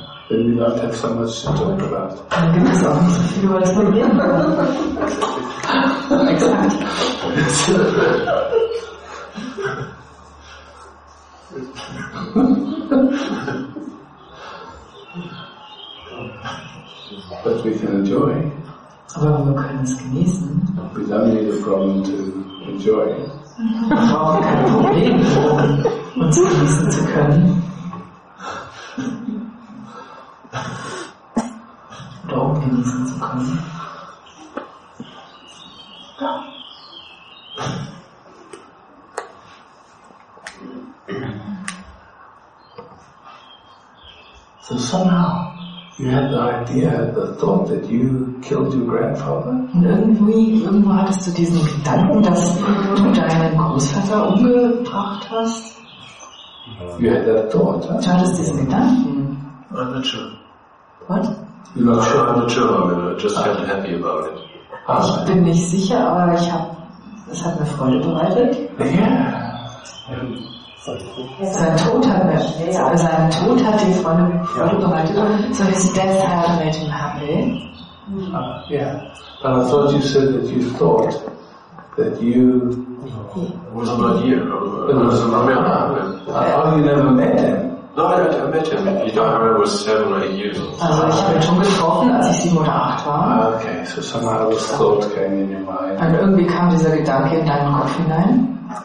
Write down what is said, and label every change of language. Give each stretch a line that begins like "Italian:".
English: Then we don't have so much to talk about.
German: Dann gibt es auch nicht so viel über das Problem.
English: But we can enjoy.
German: Aber wir können es genießen.
English: We don't need a problem to enjoy.
German: Wir brauchen kein Problem, um uns genießen zu können. Oder um genießen zu können.
English: So somehow you had the idea, the thought that you killed your grandfather.
German: Und irgendwo hattest du diesen Gedanken, dass du deinen Großvater umgebracht hast.
English: You had that thought.
German: Du hattest diesen Gedanken.
English: I'm not sure. What? You're not sure? I'm not sure. I'm just kind of happy about it.
German: Ich bin nicht sicher, aber ich habe, es hat mir Freude bereitet.
English: Yeah.
German: Sein Tod hat die Freude bereitet.
English: So his death had made him happy. Yeah. And I thought you said that you thought that you was not here. It was in America. Oh, you never met him. No, I met him. He died when I was 7 or 8 years old.
German: Also ich habe ihn schon getroffen, als ich 7 oder 8 war.
English: Okay, so somehow this thought came in your mind.
German: Und irgendwie kam dieser Gedanke in deinen Kopf hinein.